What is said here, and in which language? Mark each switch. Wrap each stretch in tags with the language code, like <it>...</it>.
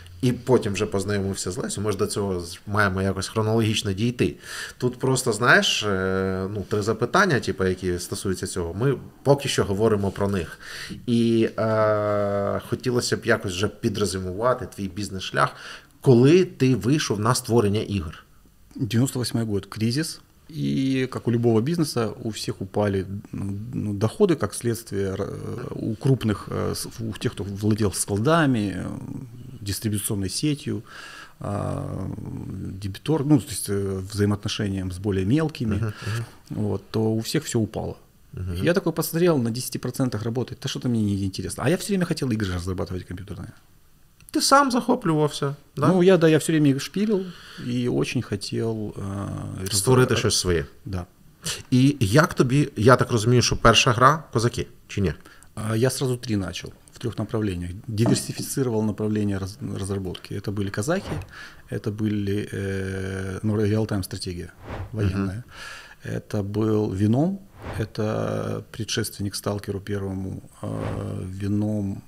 <uk>І потім вже познайомився з Лесю, ми ж до цього маємо якось хронологічно дійти. Тут просто, знаєш, три запитання, типу, які стосуються цього, ми поки що говоримо про них. І хотілося б якось вже підрезюмувати твій бізнес-шлях, коли ти вийшов на створення ігор.</uk> <ru>98-й год, кризис, и как у любого бизнеса, у всех упали доходы, как следствие, у крупных, у тех, кто владел складами, дистрибуционной сетью, дебитор, ну, то есть взаимоотношениям с более мелкими, вот, то у всех все упало. Я такой посмотрел, на 10% работает, да что-то мне неинтересно. А я все время хотел игры разрабатывать компьютерные.</ru> <uk>Ты сам захоплювався, да?</uk> <ru>Ну, я все время шпилил и очень хотел...</ru> <uk>створити щось своє.</uk> <ru>Да.</ru> <uk>И як тобі, я так розумію, що перша гра – козаки, чи ні?</uk> <ru>Я сразу три начал в трех направлениях. Диверсифицировал направления разработки. Это были казаки, это были реал-тайм стратегия военная. Это был Веном. Это предшественник сталкеру первому, Веном.</ru>